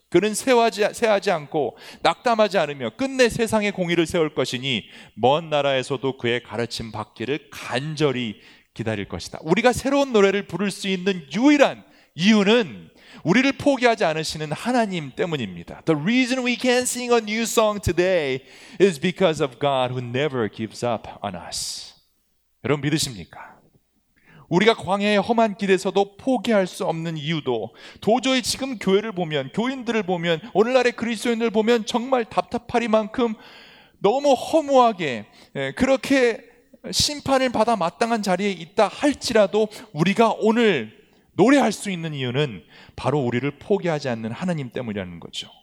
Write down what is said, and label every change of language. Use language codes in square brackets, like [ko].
[ko] 그는 쇠하지 않고 낙담하지 않으며 끝내 세상에 공의를 세울 것이니 먼 나라에서도 그의 가르침 받기를 간절히 기다릴 것이다. 우리가 새로운 노래를 부를 수 있는 유일한 이유는 우리를 포기하지 않으시는 하나님 때문입니다. [en] The reason we can sing a new song today is because of God who never gives up on us. [ko] 여러분 믿으십니까? 우리가 광야의 험한 길에서도 포기할 수 없는 이유도 도저히 지금 교회를 보면 교인들을 보면 오늘날의 그리스도인들을 보면 정말 답답하리만큼 너무 허무하게 그렇게 심판을 받아 마땅한 자리에 있다 할지라도 우리가 오늘 노래할 수 있는 이유는 바로 우리를 포기하지 않는 하나님 때문이라는 거죠.